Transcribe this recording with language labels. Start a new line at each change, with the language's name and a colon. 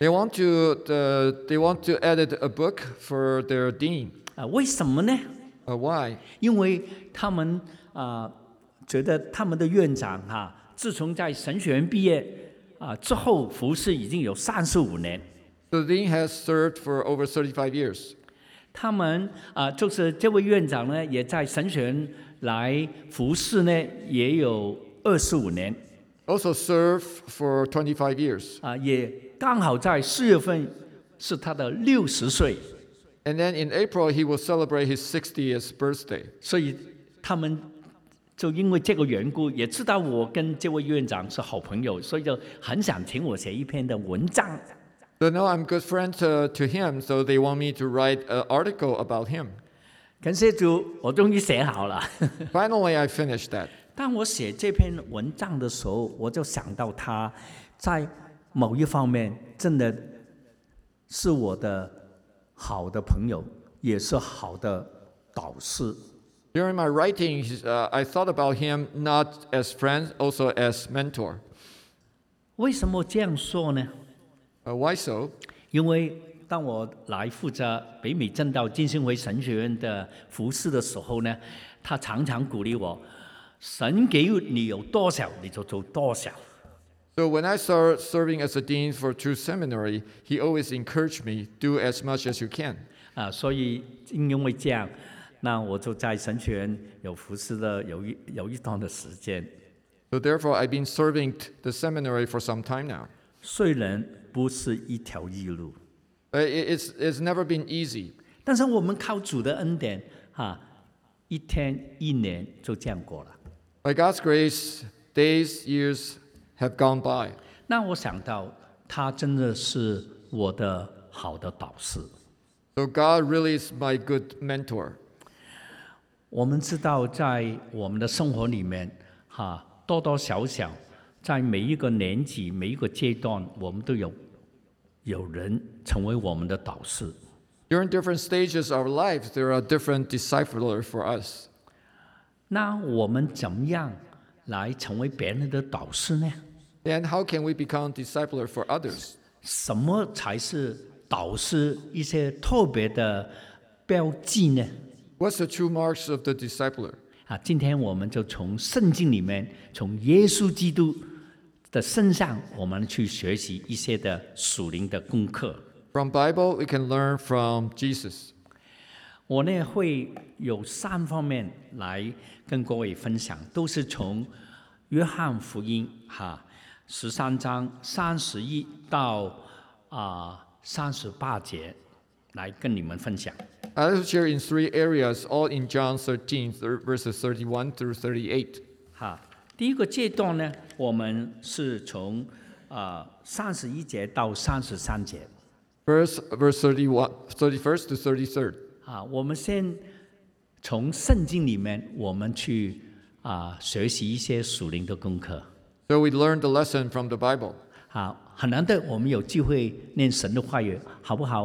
English: They want to edit a book for their dean.
Chinese: 为什么呢？
English: Why?
Chinese: 因为他们觉得他们的院长自从在神学院毕业。之后服侍已经有35年。
English: The dean has served for over 35 years.
Chinese: 他们就是这位院长呢，也在神学院来服侍呢，也有25年。
English: Also served for 25 years.
Chinese: 也刚好在4月份是他的60岁。
English: And then in April he will celebrate his 60th birthday.
Chinese: 所以他们。就因为这个缘故，也知道我跟这位院长是好朋友，所以就很想请我写一篇的文章。
English: So now I'm good friends to him, so they want me to write an article about him.
Chinese: 感谢主，我终于写好了。
English: Finally, I finished that.
Chinese: 当我写这篇文章的时候，我就想到他在某一方面真的是我的好的朋友，也是好的导师。
English: During my writing, I thought about him not as friend, also as mentor.
Chinese: 为什么这样说呢？
English: Why so?
Chinese: 因为当我来负责北美正道浸信会神学院的服事的时候呢，他常常鼓励我，神给你有多少，你就做多少。
English: So when I started serving as a dean for True Seminary, he always encouraged me, do as much as you can.
Chinese: 所以因为这样。那我就在神学院有服侍了有一段的时间。
English: So therefore, I've been serving the seminary for some time now.
Chinese: 虽然不是一条易路
English: ，It's never been easy.
Chinese: 但是我们靠主的恩典，一天一年就这样过了。
English: By God's grace, days, years have gone by.
Chinese: 那我想到他真的是我的好的导师。
English: So God really is my good mentor.
Chinese: 我们知道在我们的生活里面，多多少少，在每一个年纪，每一个阶段，我们都有人成为我们的导师。
English: During different stages of life, there are different disciples for us.
Chinese: 那我们怎么样来成为别人的导师呢？
English: And how can we become disciples for others?
Chinese: 什么才是导师一些特别的标记呢？
English: What's the true marks of the disciple?
Chinese: 今天我们就从圣经里面，从耶稣基督的身上，我们去学习一些的属灵的功课。
English: From Bible, we can learn from Jesus.
Chinese: 我呢会有三方面来跟各位分享，都是从约翰福音十三章三十一到三十八节来跟你们分享。
English: I'll share in three areas, all in John 13, verses 31 through 38.
Chinese: 第一个阶段呢，我们是从三十一节到三十三节。
English: Verse 31 to 33.
Chinese: 我们先从圣经里面，我们去学习一些属灵的功课。
English: So we learn the lesson from the Bible.
Chinese: 很难得我们有机会念神的话语，好不好？